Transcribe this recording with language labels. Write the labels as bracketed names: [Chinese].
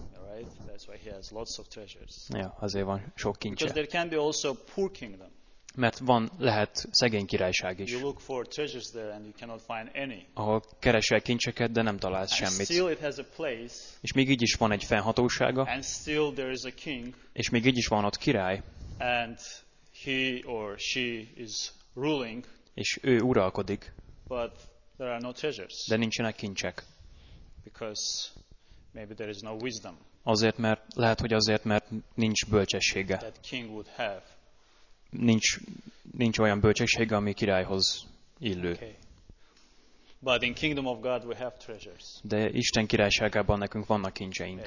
[English] Right, that's why he has lots of treasures. [Hungarian] Ja, azért van sok kincse. [English] Because there can be also poor kingdom. [Hungarian] Mert van lehet szegény királyság is. [English] You look for treasures there and you cannot find any. [Hungarian] Ahol keresel kincseket, de nem találsz semmit. [English] And still it has a place. [Hungarian] És még így is van egy fennhatósága. [English] And still there is a king. [Hungarian] És még így is van ott király. [English] And he or she is ruling. [Hungarian] És ő uralkodik. [English] But there are no treasures. [Hungarian] De nincsenek kincsek. [English] Because maybe there is no wisdom. [Hungarian] Azért mert lehet, hogy azért mert nincs bölcsessége. [English] That king would have. [Hungarian] Nincs olyan bölcsessége, ami királyhoz illő. [English] Okay. But in kingdom of God we have treasures. [Hungarian] De Isten királyságában nekünk vannak kincseink.